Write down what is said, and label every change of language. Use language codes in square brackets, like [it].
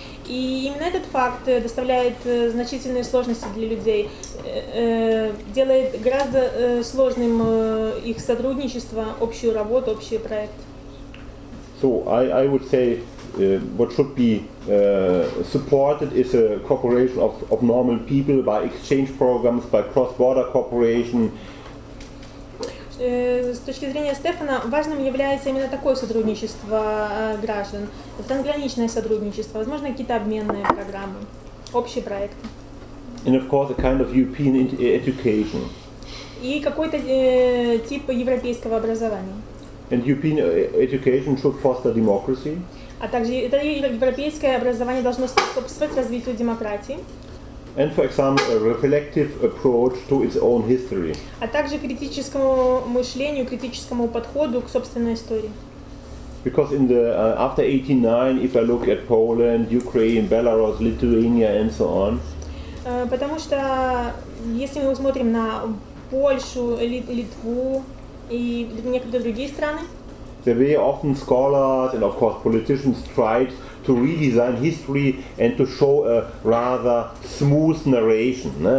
[ru] И именно этот факт доставляет значительные сложности для людей, делает гораздо сложным их сотрудничество, общую работу, общий проект. [en] So I would say what should be supported is a cooperation of normal people by exchange programs, by cross-border cooperation. [ru] С точки зрения Стефана, важным является именно такое сотрудничество граждан, трансграничное сотрудничество, возможно, какие-то обменные программы, общие проекты. [en] And of course, a kind of European education. [ru] И какой-то тип европейского образования. [en] And European education should foster democracy. [ru] А также это европейское образование должно способствовать развитию демократии. [en] And for example, a reflective approach to its own history. [ru] А также критическому мышлению, критическому подходу к собственной истории. [en] Because in the after 89, if I look at Poland, Ukraine, Belarus, Lithuania, and so on. [ru] Потому что если мы смотрим на Польшу, Литву и некоторые другие страны. [en] Very often scholars and of course politicians tried to redesign history and to show a rather smooth narration.